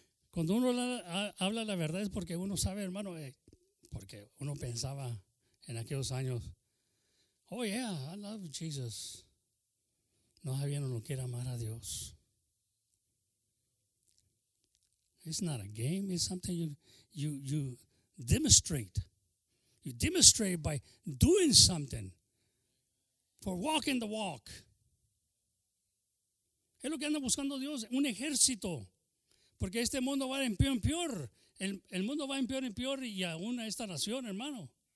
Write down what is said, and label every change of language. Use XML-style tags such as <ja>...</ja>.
<es>Cuando uno habla la verdad es porque uno sabe, hermano, porque uno pensaba en aquellos años, oh yeah, I love Jesus. No sabía no lo quiere amar a Dios.</es> <en>It's not a game, it's something you demonstrate. You demonstrate by doing something for walking the walk.</en> <es>Es lo que anda buscando Dios, un ejército. Porque este mundo va en peor en peor. El mundo va en peor en peor y aún a esta nación, hermano.</es>